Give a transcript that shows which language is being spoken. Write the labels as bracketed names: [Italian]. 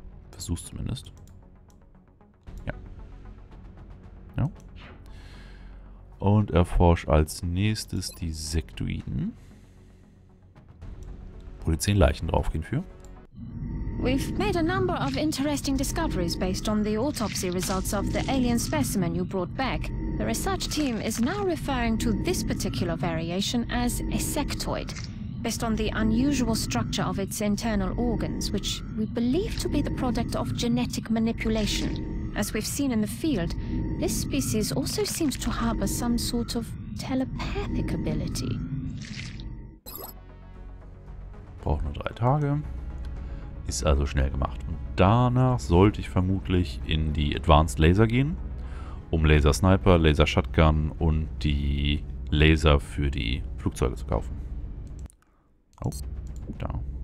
[German] Versuch's zumindest. Ja. Ja. Und erforsch als nächstes die Sektoiden. Wo die 10 Leichen draufgehen für. [English] We've made a number of interesting discoveries based on the autopsy results of the alien specimen you brought back. The research team is now referring to this particular variation as a sectoid, based on the unusual structure of its internal organs, which we believe to be the product of genetic manipulation. As we've seen in the field, this species also seems to harbor some sort of telepathic ability. [German] Braucht nur 3 Tage. Ist also schnell gemacht. Und danach sollte ich vermutlich in die Advanced Laser gehen, um Laser Sniper, Laser Shotgun und die Laser für die Flugzeuge zu kaufen. Oh, da.